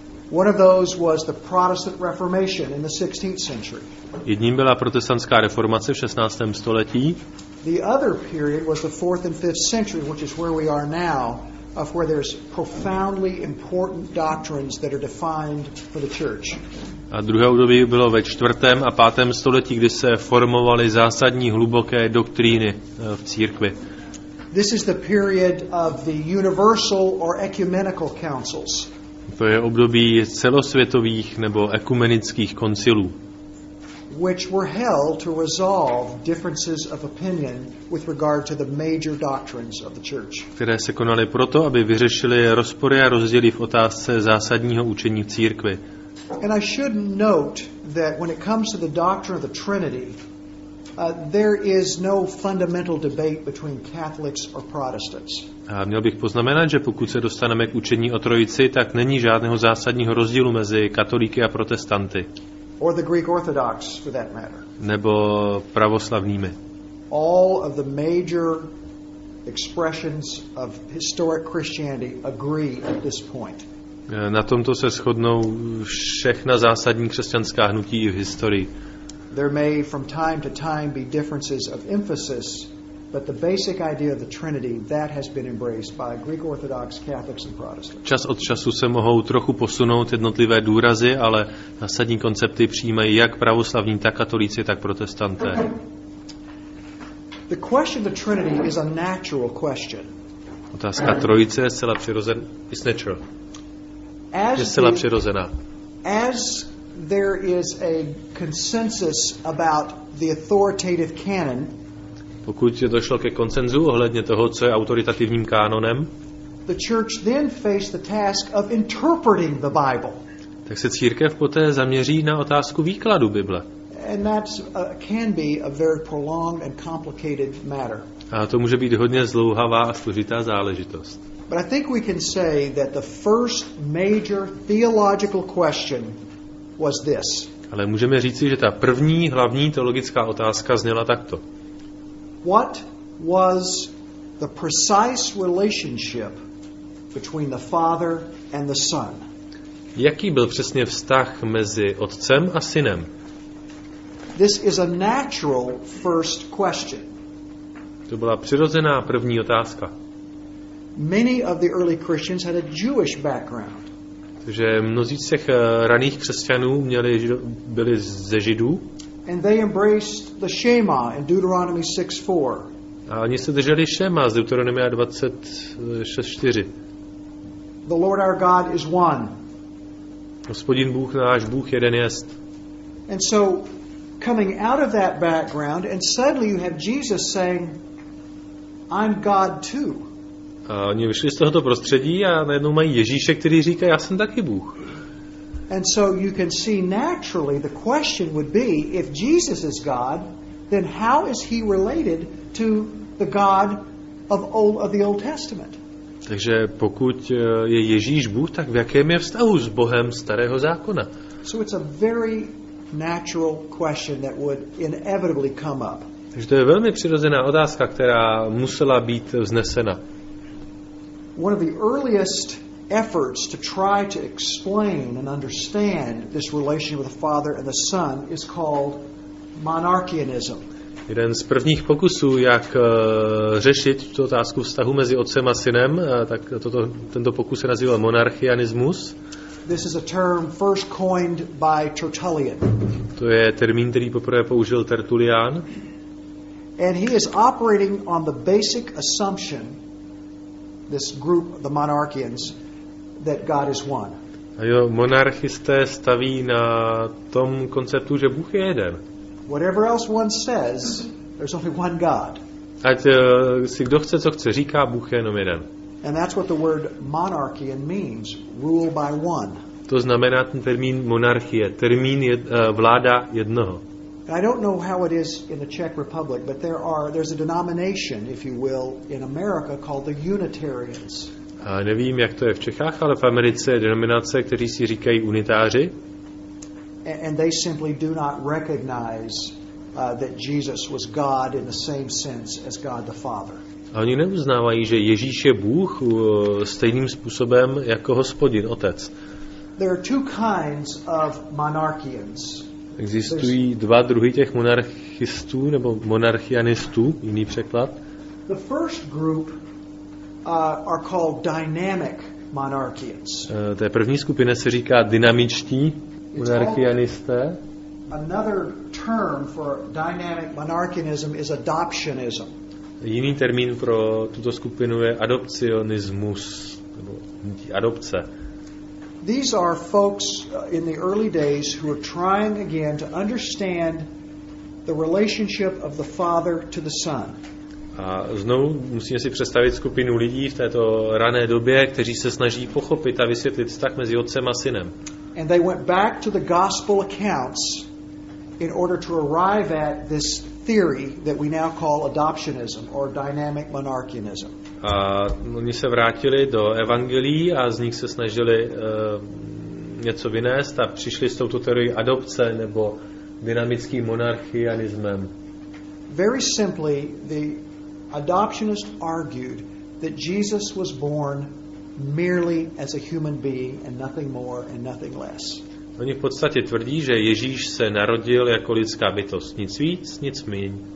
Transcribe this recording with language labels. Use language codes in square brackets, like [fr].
[en] One of those was the Protestant Reformation in the 16th century. [cs] Jedním byla protestantská reformace v 16. století. [en] The other period was the 4th and 5th century, which is where we are now. Of where there's profoundly important doctrines that are defined for the church. [cs] A druhé období bylo ve 4. a 5. století, kdy se formovaly zásadní hluboké doktríny v církvi. [en] This is the period of the universal or ecumenical councils. [cs] To je období celosvětových nebo ekumenických koncilů. [en] Which were held to resolve differences of opinion with regard to the major doctrines of the church. [cs] Které se konaly proto, aby vyřešili rozpory a rozdíly v otázce zásadního učení v církvi. [en] And I should note that when it comes to the doctrine of the Trinity, there is no fundamental debate between Catholics or Protestants. [cs] A měl bych poznamenat, že pokud se dostaneme k učení o Trojici, tak není žádného zásadního rozdílu mezi katolíky a protestanty. [en] Or the Greek Orthodox, for that matter. [cs] Nebo pravoslavnými. [en] All of the major expressions of historic Christianity agree at this point. [cs] Na tomto se shodnou všechna zásadní křesťanská hnutí v historii. [en] There may from time to time be differences of emphasis, but the basic idea of the Trinity, that has been embraced by Greek Orthodox, Catholics and Protestants. [cs] Čas od času se mohou trochu posunout jednotlivé důrazy, ale zásadní koncepty přijímají jak pravoslavní, tak katolíci, tak protestanté. [en] The question of the Trinity is a natural question. [cs] Otázka Trojice je zcela přirozená. [en] It's natural. [cs] Je zcela přirozená. [en] As there is a consensus about the authoritative canon, [cs] pokud je došlo ke konsenzu ohledně toho, co je autoritativním kánonem, [en] the church then faced the task of interpreting the Bible. [cs] Tak se církev poté zaměří na otázku výkladu Bible. [en] And that can be a very prolonged and complicated matter. [cs] A to může být hodně zdlouhavá a složitá záležitost. [en] But I think we can say that the first major theological question was this. [cs] Ale můžeme říci, že ta první hlavní teologická otázka zněla takto. [en] What was the precise relationship between the Father and the Son? [cs] Jaký byl přesně vztah mezi Otcem a Synem? [en] This is a natural first question. [cs] To byla přirozená první otázka. [en] Many of the early Christians had a Jewish background. [cs] Takže mnozí z těch raných křesťanů byli ze Židů. [en] And they embraced the Shema in Deuteronomy 6:4. [cs] A oni se drželi Shema z Deuteronomia 26:4. [en] The Lord our God is one. [cs] Hospodin Bůh náš Bůh jeden jest. [en] And so coming out of that background and suddenly you have Jesus saying I'm God too. [cs] A oni vyšli z tohoto prostředí a najednou mají Ježíše, který říká já jsem taky Bůh. [en] And so you can see naturally the question would be if Jesus is God, then how is he related to the God of the Old Testament? [cs] Takže pokud je Ježíš Bůh, tak v jakém je vztahu s Bohem Starého zákona? [en] So it's a very natural question that would inevitably come up. [cs] Takže to je velmi přirozená otázka, která musela být vznesena. [en] One of the earliest efforts to try to explain and understand this relationship with the Father and the Son is called monarchianism. [cs] Jeden z prvních pokusů, jak řešit tu otázku vztahu mezi Otcem a Synem, tak tento pokus se nazýval monarchianismus. [en] This is a term first coined by Tertullian. [cs] To je termín, který poprvé použil Tertullian. [en] And he is operating on the basic assumption, this group, the monarchians, that God is one. [cs] A jo, monarchisté staví na tom konceptu, že Bůh je jeden. [en] Whatever else one says, there's only one God. [cs] Ať si kdo chce, co chce, říká, Bůh je jenom jeden. [en] And that's what the word monarchy means, rule by one. [cs] To znamená ten termín monarchie, termín je, vláda jednoho. [en] I don't know how it is in the Czech Republic, but there's a denomination, if you will, in America called the Unitarians. [cs] A nevím, jak to je v Čechách, ale v Americe je denominace, kteří si říkají unitáři. [en] And they simply do not recognize that Jesus was God in the same sense as God the Father. [cs] A oni neuznávají, že Ježíš je Bůh stejným způsobem jako Hospodin, Otec. [en] There are two kinds of monarchians. [cs] Existují dva druhy těch monarchistů nebo monarchianistů, jiný překlad. [en] The first group are called dynamic monarchians. [cs] Té první skupině se říká dynamičtí monarchianisté. [en] Another term for dynamic monarchianism is adoptionism. [cs] Jiný termín pro tuto skupinu je adopcionismus nebo adopce. [en] These are folks in the early days who are trying again to understand the relationship of the Father to the Son. [cs] A znovu musíme si představit skupinu lidí v této rané době, kteří se snaží pochopit a vysvětlit vztah mezi Otcem a Synem. [en] And they went back to the gospel accounts in order to arrive at this theory that we now call adoptionism or dynamic monarchianism. [cs] A oni se vrátili do evangelií a z nich se snažili něco vynést a přišli s touto teorií adopce nebo dynamickým monarchianismem. [en] Very simply, the adoptionist argued that Jesus was born merely as a human being and nothing more and nothing less. [cs] Oni v podstatě tvrdí, že Ježíš se narodil jako lidská bytost, nic víc, nic míň.